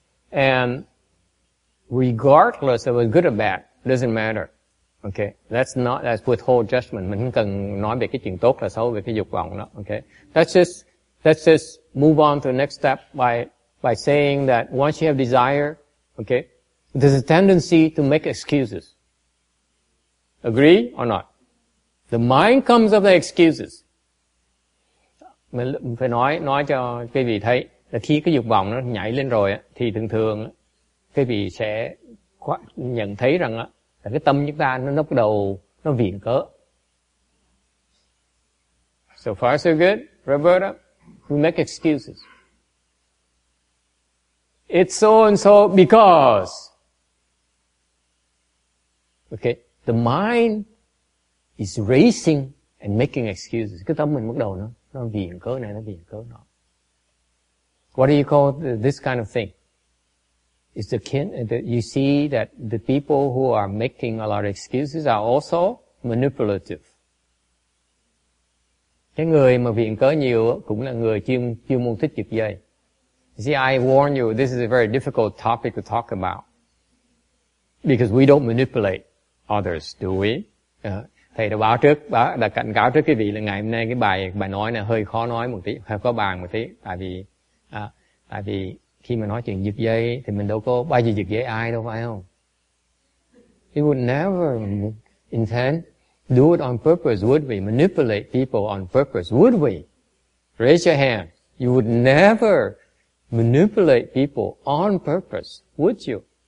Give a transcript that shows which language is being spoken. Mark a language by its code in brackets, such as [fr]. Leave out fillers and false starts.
[en] And regardless of a good or bad, doesn't matter. Okay, that's not that's withhold judgment. [vi] Mình không cần nói về cái chuyện tốt là xấu, về cái dục vọng đó. [en] Okay, let's just move on to the next step by saying that once you have desire, okay, there's a tendency to make excuses. Agree or not? The mind comes up with excuses. [vi] Mình phải nói cho quý vị thấy. Là khi cái dục vọng nó nhảy lên rồi á, thì thường thường cái vị sẽ nhận thấy rằng á, là cái tâm chúng ta nó bắt đầu nó viện cớ. [en] So far so good, Roberta. We make excuses. It's so and so because. Okay, the mind is racing and making excuses. [vi] Cái tâm mình bắt đầu nó viện cớ này, nó viện cớ nọ. [en] What do you call this kind of thing? It's akin, you see that the people who are making a lot of excuses are also manipulative. [vi] Cái người mà viện cớ nhiều cũng là người chuyên môn thích giật dây. [en] See, I warn you, this is a very difficult topic to talk about. Because we don't manipulate others, do we? [vi] Thầy đã báo trước, đã cảnh cáo trước quý vị là ngày hôm nay cái bài nói này hơi khó nói một tí, hơi khó bàn một tí. Tại vì khi mà nói chuyện giật dây thì mình đâu có bao giờ giật dây ai đâu, phải không? [en] We would never intend do it on purpose, would we? Manipulate people on purpose, would we? Raise your hand. You would never manipulate people on purpose, would you?